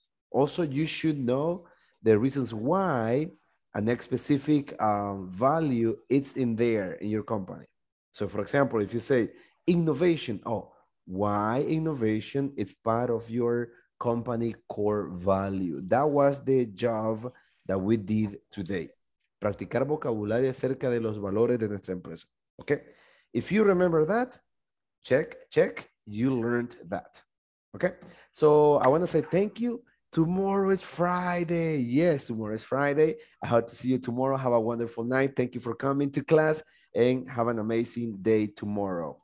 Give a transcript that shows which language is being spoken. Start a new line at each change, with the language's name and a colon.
English: Also, you should know the reasons why a next specific value it's in there in your company. So for example, if you say innovation, oh, why innovation? It's part of your company core value. That was the job that we did today.
Spanish: Practicar vocabulario acerca de los valores de nuestra empresa.
English: Okay. If you remember that, check, you learned that. Okay. So I want to say thank you. Tomorrow is Friday. Yes, tomorrow is Friday. I hope to see you tomorrow. Have a wonderful night. Thank you for coming to class and have an amazing day tomorrow.